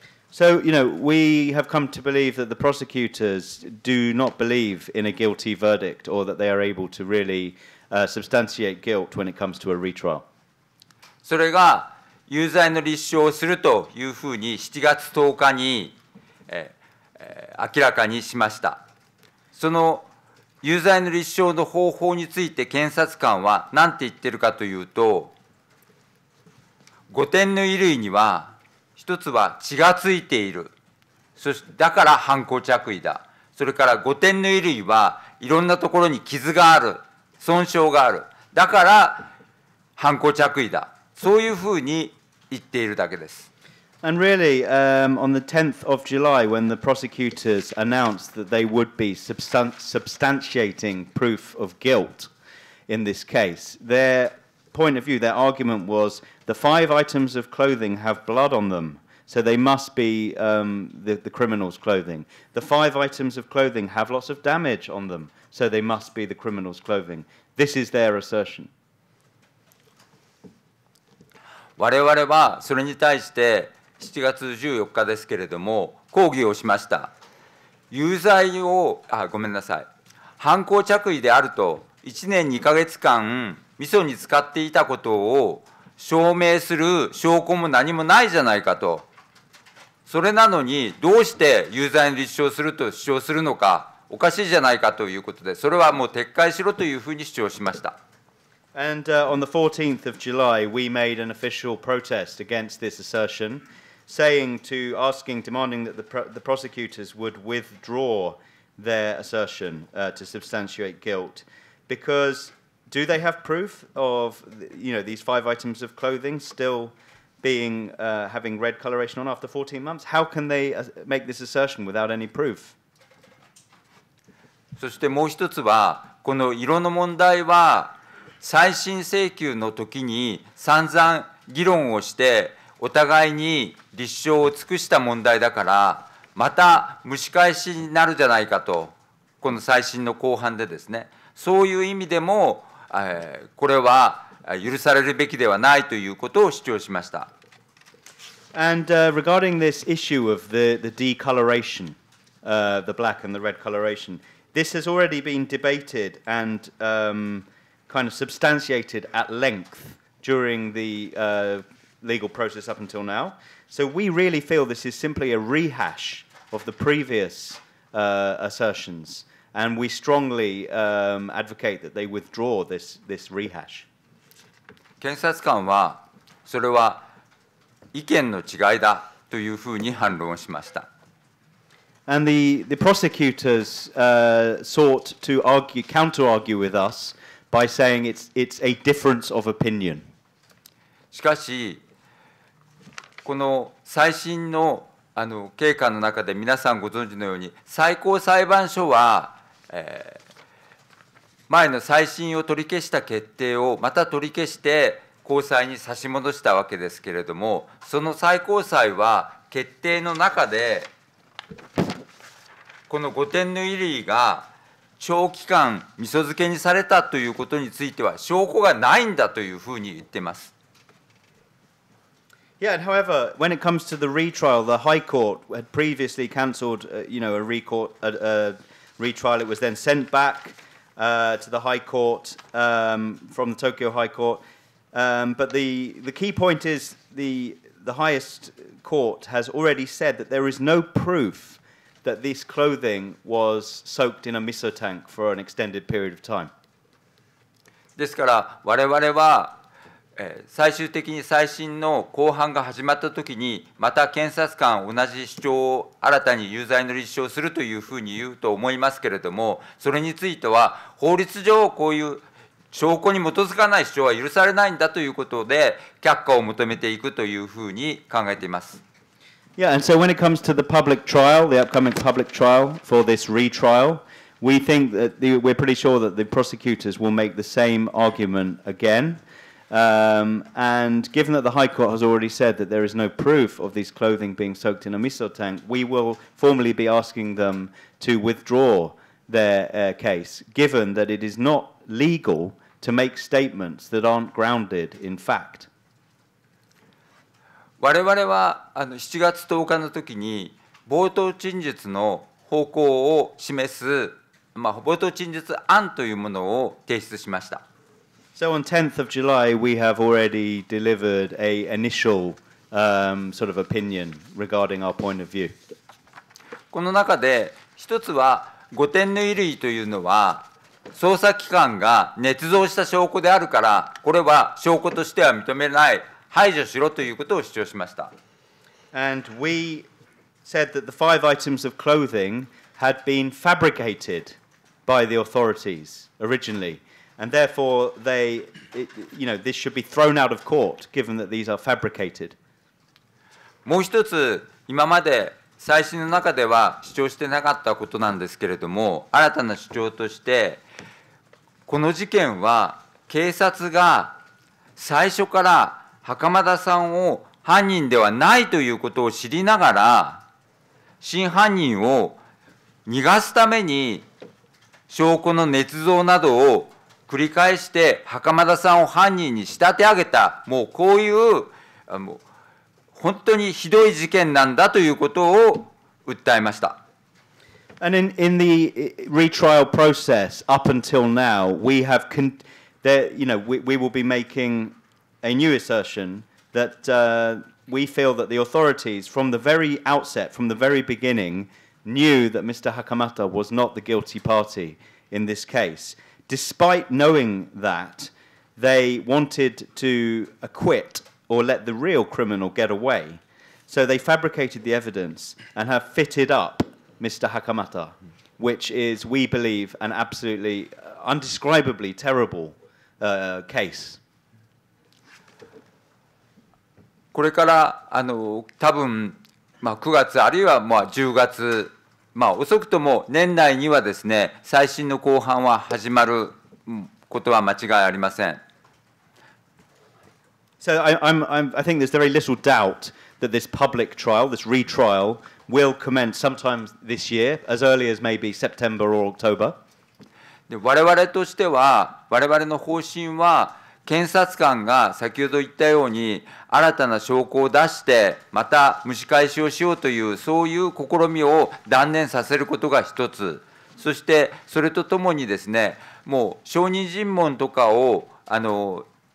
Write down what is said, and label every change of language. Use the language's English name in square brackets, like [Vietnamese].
[English] So, you know, we have come to believe that the prosecutors do not believe in a guilty verdict or that they are able to really, substantiate guilt when it comes to a retrial. [Japanese] それが有罪の立証をするというふうに7月10日に、明らかにしました。その有罪の立証の方法について検察官は何て言ってるかというと、5点の衣類には一つは血がついている。そしてだから犯行着衣だ。それから5点の衣類はいろんなところに傷がある。損傷がある。だから犯行着衣だ。そういうふうに言っているだけです。 [English] And really, on the 10th of July, when the prosecutors announced that they would be substantiating proof of guilt in this case, their point of view, their argument was the five items of clothing have blood on them, so they must be the criminal's clothing. The five items of clothing have lots of damage on them, so they must be the criminal's clothing. This is their assertion. [Japanese] 我々はそれに対して7月14日ですけれども抗議をしました。有罪を、あ、ごめんなさい。犯行着衣であると1年2ヶ月間味噌に使っていたことを証明する証拠も何もないじゃないかと。それなのにどうして有罪に立証すると主張するのかおかしいじゃないかということで、それはもう撤回しろというふうに主張しました。 [English] And on the 14th of July, we made an official protest against this assertion, saying to asking, demanding that the prosecutors would withdraw their assertion to substantiate guilt, because do they have proof of, you know, these five items of clothing still being having red coloration on after 14 months? How can they make this assertion without any proof? [Japanese] そしてもう一つはこの色の問題は再審請求の時に散々議論をしてお互いに立証を尽くした問題だからまた蒸し返しになるじゃないかと、この再審の後半でですね、そういう意味でもこれは許されるべきではないということを主張しました。 [English] And regarding this issue of the decoloration, the black and the red coloration, this has already been debated and kind of substantiated at length during the legal process up until now. So we really feel this is simply a rehash of the previous assertions. And we strongly advocate that they withdraw this rehash. [Japanese] 検察官はそれは意見の違いだというふうに反論しました。 [English] And the prosecutors sought to argue, counter-argue with us by saying it's a difference of opinion. [Japanese] しかし、この最新の経過の中で皆さんご存知のように最高裁判所は前の再審を取り消した決定をまた取り消して高裁に差し戻したわけですけれども、その最高裁は決定の中で、この5点の衣類が長期間味噌漬けにされたということについては証拠がないんだというふうに言っています。 [English] Yeah, and however, when it comes to the retrial, the High Court had previously cancelled, you know, a retrial. It was then sent back to the High Court from the Tokyo High Court. But the key point is the highest court has already said that there is no proof that this clothing was soaked in a miso tank for an extended period of time. [Japanese] ですから我々は最終的に再審の公判が始まったときにまた検察官同じ主張を新たに有罪の立証するというふうに言うと思いますけれども、それについては法律上こういう証拠に基づかない主張は許されないんだということで却下を求めていくというふうに考えています。 [English] Yeah, and so when it comes to the public trial, the upcoming public trial for this retrial, we think that we're pretty sure that the prosecutors will make the same argument againand given that the High Court has already said that there is no proof of these clothing being soaked in a miso tank, we will formally be asking them to withdraw their case, given that it is not legal to make statements that aren't grounded in fact. [Japanese] 我々は7月10日の時に冒頭陳述の方向を示す、冒頭陳述案というものを提出しました。 [English] So on 10th of July, we have already delivered an initial sort of opinion regarding our point of view. [Japanese] この中で一つは御殿の衣類というのは捜査機関が捏造した証拠であるから、これは証拠としては認めない、排除しろということを主張しました。 [English] And we said that the five items of clothing had been fabricated by the authorities originally. And therefore, this should be thrown out of court, given that these are fabricated. [Japanese] もう一つ、今まで再審の中では主張してなかったことなんですけれども、新たな主張として、この事件は警察が最初から袴田さんを犯人ではないということを知りながら、真犯人を逃がすために証拠の捏造などを繰り返して袴田さんを犯人に仕立て上げた、もうこういう本当にひどい事件なんだということを訴えました。 [English] And in the retrial process up until now, we have we will be making a new assertion that we feel that the authorities from the very outset, from the very beginning, knew that Mr. Hakamata was not the guilty party in this case. Despite knowing that, they wanted to acquit or let the real criminal get away. So they fabricated the evidence and have fitted up Mr. Hakamata, which is, we believe, an absolutely undescribably terrible case. [Japanese] これから多分、9月あるいは10月、遅くとも年内にはですね、再審の公判は始まることは間違いありません。 [English] So I think there's very little doubt that this public trial, this retrial, will commence sometime this year, as early as maybe September or October. [Japanese] で、我々としては、我々の方針は、検察官が先ほど言ったように、新たな証拠を出して、また蒸し返しをしようという、そういう試みを断念させることが一つ、そしてそれとともにですね、もう証人尋問とかを行